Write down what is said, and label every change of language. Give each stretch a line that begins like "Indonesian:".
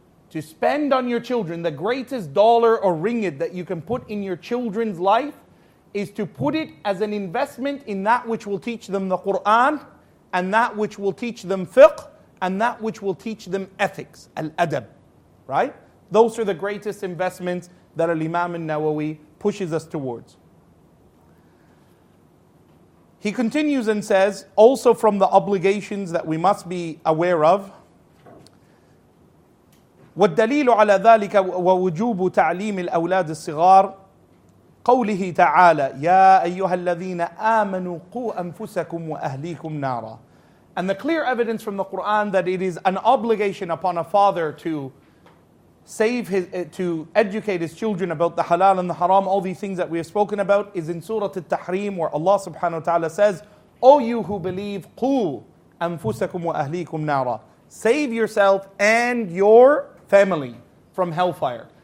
English: To spend on your children, the greatest dollar or ringgit that you can put in your children's life is to put it as an investment in that which will teach them the Qur'an, and that which will teach them fiqh, and that which will teach them ethics, al-adab. Right? Those are the greatest investments that al-Imam al-Nawawi pushes us towards. He continues and says, also from the obligations that we must be aware of,
Arabic: وَالدَّلِيلُ عَلَى ذَلِكَ وَوُجُوبُ تَعْلِيمِ الْأَوْلَادِ الصِّغَارِ قوله تعالى يا أيها الذين آمنوا قوا أنفسكم وأهليكم نارا.
English: And the clear evidence from the Quran that it is an obligation upon a father to save his, to educate his children about the halal and the haram, all these things that we have spoken about, is in Surah Al-Tahrim, where Allah subhanahu wa ta'ala says, O you who believe,
Arabic: قوا أنفسكم وأهليكم نارا,
English: save yourself and your family from hellfire.